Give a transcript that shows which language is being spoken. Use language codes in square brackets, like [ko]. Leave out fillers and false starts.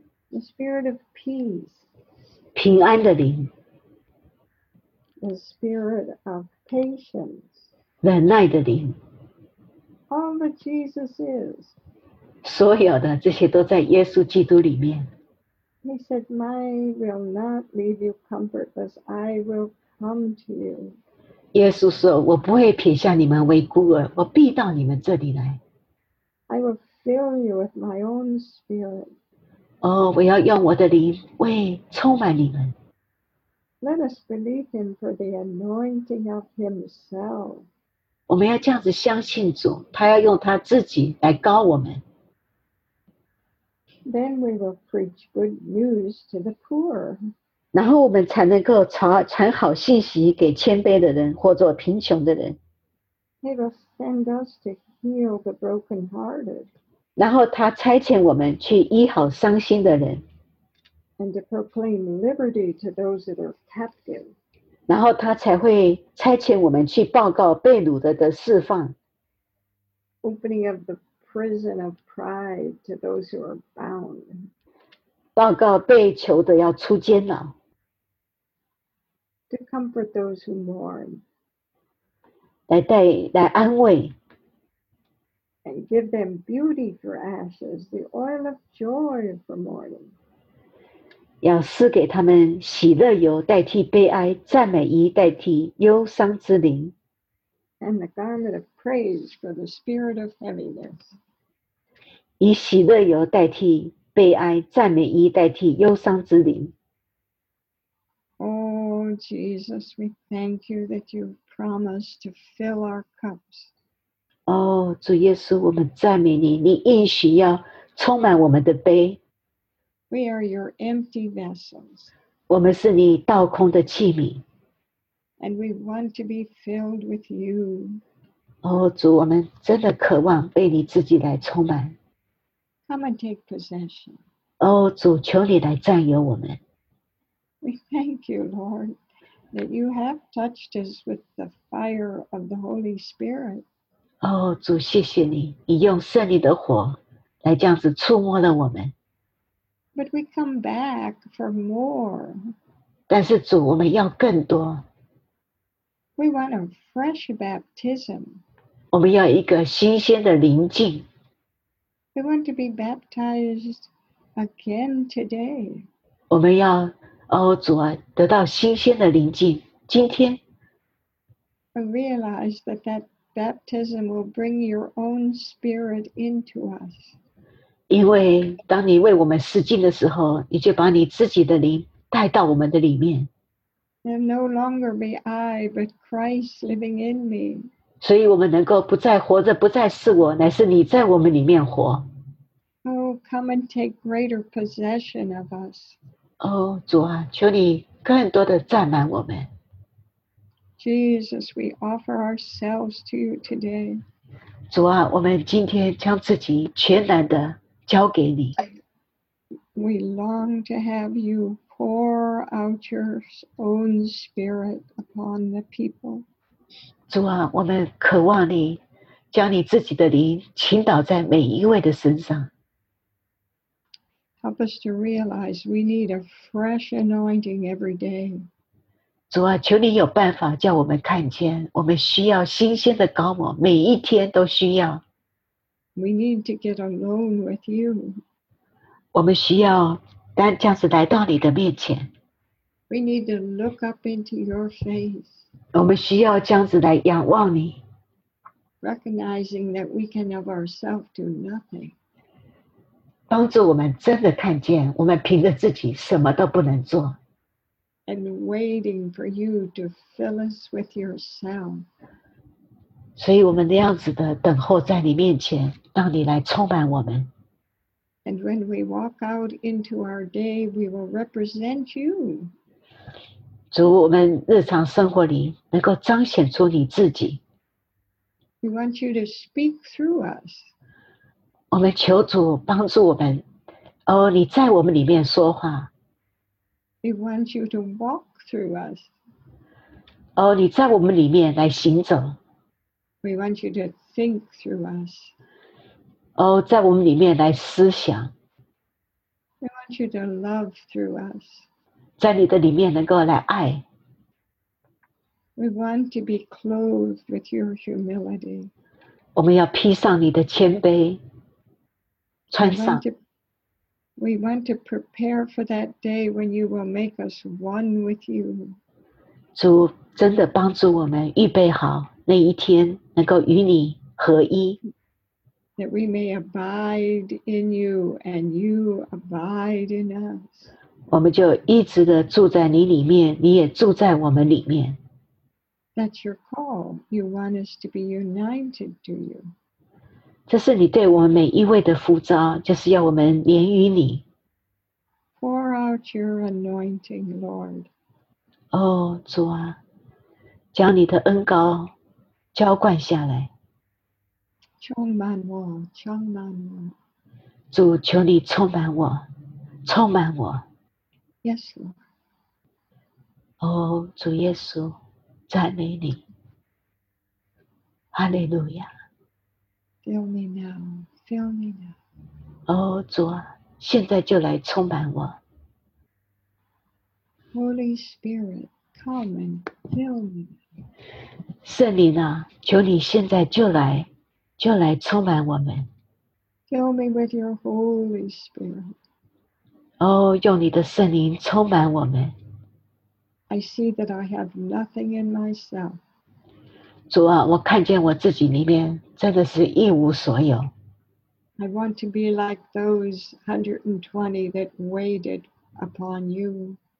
[en] The spirit of peace. [zh] 平安的灵。 [en] The spirit of patience. [zh] 忍耐的灵。 [en] All that Jesus is. [zh] 所有的这些都在耶稣基督里面。 [en] He said, I will not leave you comfortless, I will come to you. [zh] 耶稣说，我不会撇下你们为孤儿，我必到你们这里来。 [en] I will fill you with my own spirit. [zh] 哦，我要用我的灵为充满你们。 [en] Let us believe him for the anointing of himself. [zh] 我们要这样子相信主，他要用他自己来膏我们。 [en] Then we will preach good news to the poor. [zh] 然后我们才能够 传好信息给谦卑的人或者贫穷的人。 [en] He will send us to heal the brokenhearted. [zh] 然后他差遣我们去医好伤心的人。 [en] And to proclaim liberty to those that are captive. [zh] 然后他才会差遣我们去报告被掳的释放。 [en] Opening of the prison of pride to those who are bound. [zh] 报告被囚的要出监牢。 [en] To comfort those who mourn. [zh] 来安慰。 [en] And give them beauty for ashes, the oil of joy for mourning. [zh] 要赐给他们喜乐油代替悲哀，赞美衣代替忧伤之灵。 [en] And the garment of praise for the spirit of heaviness. [zh] 以喜乐油代替悲哀，赞美衣代替忧伤之灵。 [en] Oh, Jesus, we thank you that you promised to fill our cups. [zh] Oh, 主耶稣，我们赞美你，你应许要充满我们的杯。 [en] We are your empty vessels. [zh] 我们是你倒空的器皿。 [en] And we want to be filled with you. [zh] Oh, 主，我们真的渴望被你自己来充满。 [en] Come and take possession. [zh] 哦，主，求你来占有我们。 [en] We thank you, Lord, that you have touched us with the fire of the Holy Spirit. [zh] 哦，主，谢谢你，你用圣灵的火来这样子触摸了我们。 [en] But we come back for more. [zh] 但是主，我们要更多。 [en] We want a fresh baptism. [zh] 我们要一个新鲜的灵浸。 [en] We want to be baptized again today. [zh] 我们要哦，主啊，得到新鲜的灵浸，今天。 [en] I realize that that baptism will bring your own spirit into us. [zh] 因为当你为我们施浸的时候，你就把你自己的灵带到我们的里面。 [en] And no longer be I, but Christ living in me. [zh] 所以我们能够不再活着，不再是我，乃是你在我们里面活。 [en] Oh, come and take greater possession of us. [zh] 哦，主啊，求你更多的占满我们。 [en] Jesus, we offer ourselves to you today. [zh] 主啊，我们今天将自己全然的交给你。 [en] We long to have you pour out your own spirit upon the people. [zh] 主啊，我们渴望你将你自己的灵倾倒在每一位的身上。 [en] Help us to realize we need a fresh anointing every day. [zh] 主啊，求你有办法叫我们看见，我们需要新鲜的膏抹，每一天都需要。 [en] We need to get alone with you. [zh] 我们需要单这样子来到你的面前。 [en] We need to look up into your face. [zh] 我们需要这样子来仰望你。 [en] Recognizing that we can of ourselves do nothing. [zh] 帮助我们真的看见，我们凭着自己什么都不能做。 [en] And waiting for you to fill us with yourself. [zh] 所以我们那样子的等候在你面前，让你来充满我们。 [en] And when we walk out into our day, we will represent you. [zh] 主，我们日常生活里能够彰显出你自己。 [en] We want you to speak through us. [zh] 我们求主帮助我们，哦，你在我们里面说话。 [en] We want you to walk through us. [zh] 哦，你在我们里面来行走。 [en] We want you to think through us. [zh] 哦，在我们里面来思想。 [en] We want you to love through us. [zh] 在你的里面能够来爱。 [en] We want to be clothed with your humility. [zh] 我们要披上你的谦卑。穿上。 [en] We want to prepare for that day when you will make us one with you. [zh] 主真的帮助我们预备好那一天能够与你合一。 [en] That we may abide in you and you abide in us. [zh] 我们就一直的住在你里面，你也住在我们里面。 [en] That's your call. You want us to be united to you. [zh] 这是你对我们每一位的呼召，就是要我们连于你。 [en] Pour out your anointing, Lord. [zh] 哦，主啊，将你的恩膏浇灌下来。充满我，充满我。主，求你充满我，充满我。 [en] Yes, Lord. [zh] 哦，主耶稣，赞美你。哈利路亚。 [en] Fill me now, fill me now. [zh] 哦，主啊，现在就来充满我。 [en] Holy Spirit, come and fill me. [zh] 圣灵啊，求你现在就来充满我们。 [en] Fill me with your Holy Spirit. [zh] 哦，用你的圣灵充满我们。 [en] I see that I have nothing in myself. [zh] 主啊，我看见我自己里面真的是一无所有。 [en] I want to be like those 120 that waited upon you.